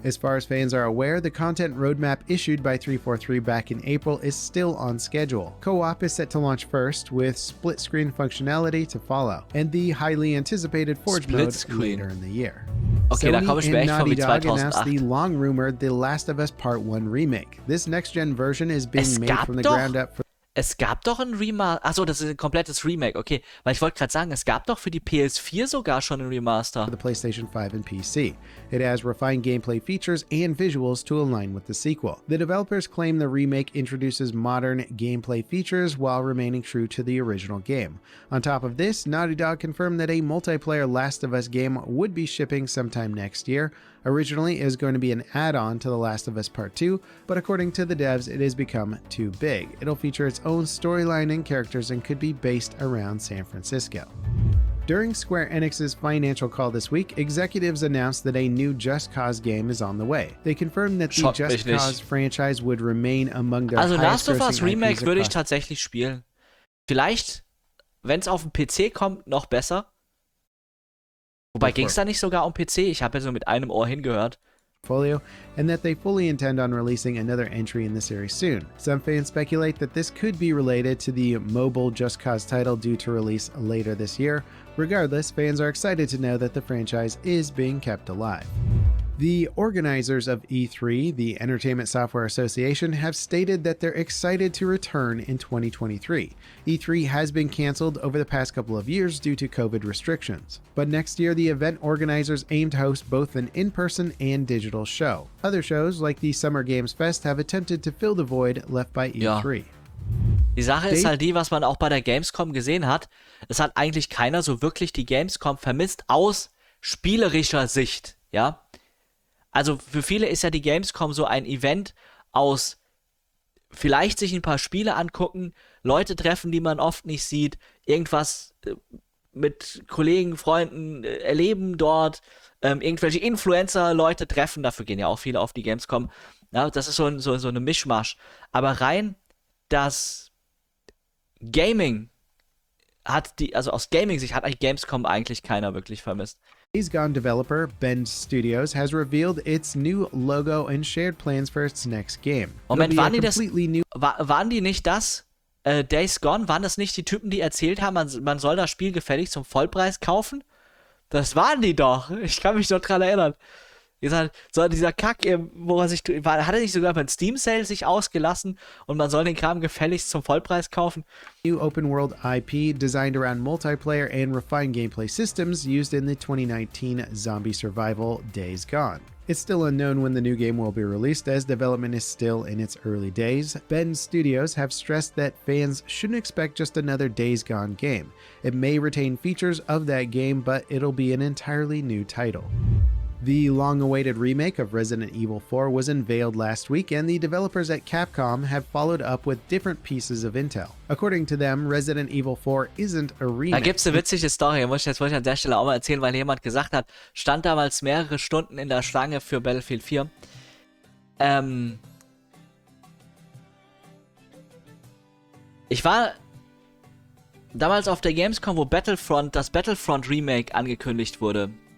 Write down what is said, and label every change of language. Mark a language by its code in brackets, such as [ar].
[en] As far as fans are aware, the content roadmap issued by 343 back in April is still on schedule. Co-op is set to launch first, with split-screen functionality to follow, and the highly anticipated Forge mode later in the year. Okay, Sony [de] da komme ich mir echt [en] Naughty [de] vor wie 2008. [en] Dog announced the long rumored The Last of Us Part 1 remake. This next-gen version is being [de] es [en] made from the ground up for... [de] Es gab doch ein Remaster. Achso, das ist ein komplettes Remake, okay. Weil ich wollte gerade sagen, es gab doch für die PS4 sogar schon ein Remaster. [en] The PlayStation 5 and PC. It has refined gameplay features and visuals to align with the sequel. The developers claim the remake introduces modern gameplay features while remaining true to the original game. On top of this, Naughty Dog confirmed that a multiplayer Last of Us game would be shipping sometime next year. Originally, it was going to be an add-on to The Last of Us Part 2, but according to the devs, it has become too big. It'll feature its own storyline and characters and could be based around San Francisco. During Square Enix's financial call this week, executives announced that a new Just Cause game is on the way. They confirmed that the Just Cause franchise would remain among their highest grossing IPs. [de] Also Last of Us Remake würde ich tatsächlich spielen. Vielleicht, wenn es auf dem PC kommt, noch besser. Wobei, ging's da nicht sogar um PC? Ich habe ja so mit einem Ohr hingehört. [en] Folio, and that they fully intend on releasing another entry in the series soon. Some fans speculate that this could be related to the mobile Just Cause title due to release later this year. Regardless, fans are excited to know that the franchise is being kept alive. The organizers of E3, the Entertainment Software Association, have stated that they're excited to return in 2023. E3 has been canceled over the past couple of years due to COVID restrictions. But next year, the event organizers aim to host both an in-person and digital show. Other shows, like the Summer Games Fest, have attempted to fill the void left by E3. [de] Ja. Die Sache ist halt die, was man auch bei der Gamescom gesehen hat. Es hat eigentlich keiner so wirklich die Gamescom vermisst aus spielerischer Sicht, ja? Also für viele ist ja die Gamescom so ein Event aus vielleicht sich ein paar Spiele angucken, Leute treffen, die man oft nicht sieht, irgendwas mit Kollegen, Freunden erleben dort, irgendwelche Influencer, Leute treffen, dafür gehen ja auch viele auf die Gamescom. Ja, das ist so eine Mischmasch. Aber rein das Gaming hat die, also aus Gaming-Sicht hat eigentlich Gamescom eigentlich keiner wirklich vermisst. [en] Hazygon developer Bend Studios has revealed its new logo and shared plans for its next game. [de] Moment, waren die das? Waren die nicht das? Days Gone? Waren das nicht die Typen, die erzählt haben, man soll das Spiel gefälligst zum Vollpreis kaufen? Das waren die doch. Ich kann mich noch dran erinnern. Dieser Kack, wo er sich. Hat er nicht sogar beim Steam Sale sich ausgelassen und man soll den Kram gefälligst zum Vollpreis kaufen? [en] New Open World IP, designed around multiplayer and refined gameplay systems, used in the 2019 zombie survival Days Gone. It's still unknown when the new game will be released, as development is still in its early days. Bend Studios have stressed that fans shouldn't expect just another Days Gone game. It may retain features of that game, but it'll be an entirely new title. The long-awaited remake of Resident Evil 4 was unveiled last week, and the developers at Capcom have followed up with different pieces of intel. According to them, Resident Evil 4 isn't a remake. [de] Da gibt's eine witzige Story, wollte ich an der Stelle auch mal erzählen, weil jemand gesagt hat, stand damals mehrere Stunden in der Schlange für Battlefield 4. Ich war damals auf der Gamescom, wo das Battlefront Remake angekündigt wurde.